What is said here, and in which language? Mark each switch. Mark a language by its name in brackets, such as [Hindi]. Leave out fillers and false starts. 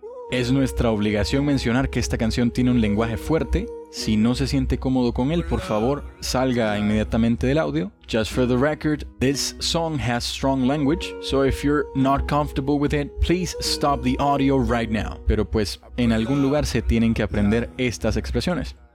[Spanish] Es nuestra obligación mencionar que esta canción tiene un lenguaje fuerte. Si no se siente cómodo con él, por favor, salga inmediatamente del audio. [English] Just for the record, this song has strong language, so if you're not comfortable with it, please stop the audio right now. [Spanish] Pero pues, en algún lugar se tienen que aprender estas expresiones.